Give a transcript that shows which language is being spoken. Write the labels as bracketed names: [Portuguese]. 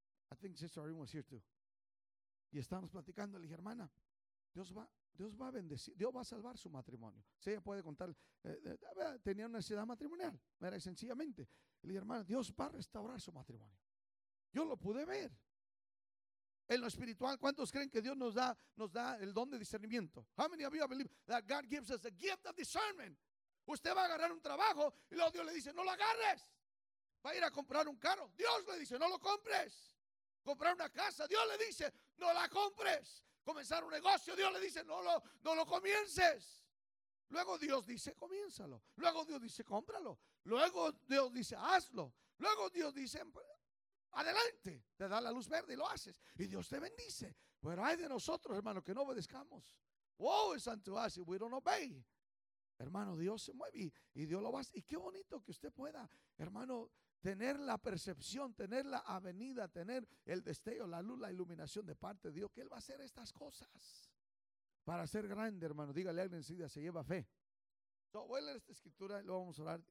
[English] I think Sister Irene was here too. [Spanish] Y estábamos platicando, le dije, hermana, Dios va a bendecir, Dios va a salvar su matrimonio. Si ella puede contar, tenía una necesidad matrimonial, era sencillamente. Le dije, hermana, Dios va a restaurar su matrimonio. Yo lo pude ver. En lo espiritual, ¿cuántos creen que Dios nos da el don de discernimiento? [English] How many of you believe that God gives us the gift of discernment? [Spanish] Usted va a agarrar un trabajo y luego Dios le dice, no lo agarres. Va a ir a comprar un carro. Dios le dice, no lo compres. Comprar una casa, Dios le dice, no la compres. Comenzar un negocio, Dios le dice, no lo comiences. Luego Dios dice, comiénzalo. Luego Dios dice, cómpralo. Luego Dios dice, hazlo. Luego Dios dice, adelante. Te da la luz verde y lo haces. Y Dios te bendice. Pero hay de nosotros, hermano, que no obedezcamos. [English] Woe is unto us if we don't obey. [Spanish] Hermano, Dios se mueve y Dios lo va a hacer. Y qué bonito que usted pueda, hermano, tener la percepción, tener la avenida, tener el destello, la luz, la iluminación de parte de Dios, que Él va a hacer estas cosas para ser grande, hermano. Dígale a alguien enseguida, se lleva fe. So, voy a leer esta escritura y luego vamos a orar.